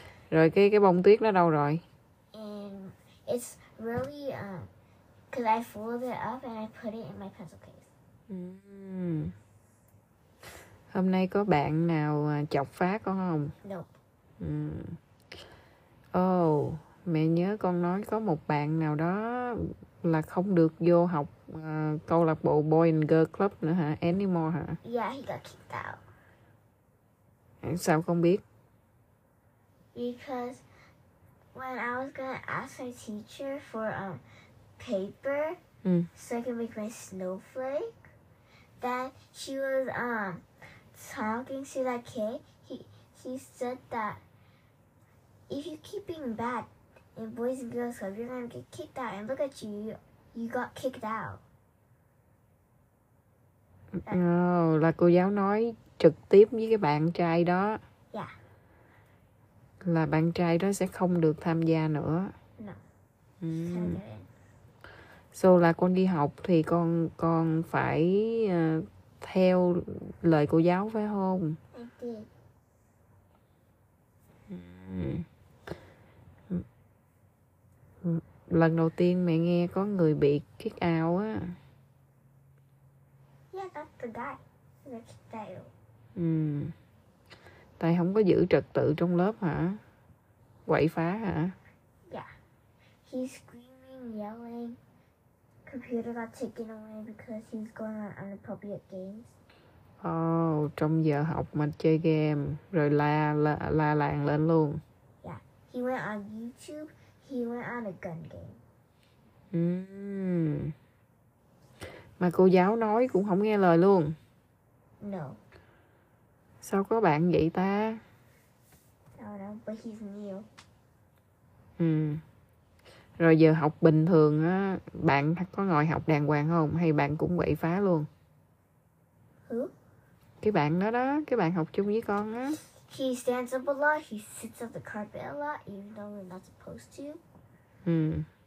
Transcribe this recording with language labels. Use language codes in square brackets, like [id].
[vi] Rồi cái bông tuyết nó đâu rồi? [en] And it's really cause I folded it up and I put it in my pencil case. [vi] Hôm nay có bạn nào chọc phá con không? [en] Nope. [vi] Mẹ nhớ con nói có một bạn nào đó là không được vô học câu lạc bộ Boy and Girl Club nữa hả? [en] Anymore [vi] hả? [en] Yeah, he got kicked out. [vi] Sao con biết? [en] Because when I was gonna ask my teacher for paper so I can make my snowflake, then she was talking to that kid. He said that if you keep being bad in Boys and Girls Club, you're gonna get kicked out. And look at you, you got kicked out. [vi] Là cô giáo nói trực tiếp với cái bạn trai đó. [en] Yeah. [vi] Là bạn trai đó sẽ không được tham gia nữa. [en] No. [vi] So là con đi học thì con phải theo lời cô giáo phải không? [en] I did. [vi] Lần đầu tiên mẹ nghe có người bị [en] kick out [vi] á. [en] Yeah, that's the guy. That's the guy. [vi] Tại không có giữ trật tự trong lớp hả? Quậy phá hả? [en] Yeah. He's screaming, yelling. Computer got taken away because he's going on inappropriate games. [vi] Oh, trong giờ học mà chơi game. Rồi la làng lên luôn. [en] Yeah. He went on YouTube. He went on a gun game. [vi] Mà cô giáo nói cũng không nghe lời luôn. [en] No. [vi] Sao có bạn vậy ta? [en] But he's new. [vi] Rồi giờ học bình thường á, bạn có ngồi học đàng hoàng không? Hay bạn cũng quậy phá luôn? [en] Who? [vi] Cái bạn đó đó, cái bạn học chung với con á. [en] He stands up a lot, he sits on the carpet a lot, even though we're not supposed to.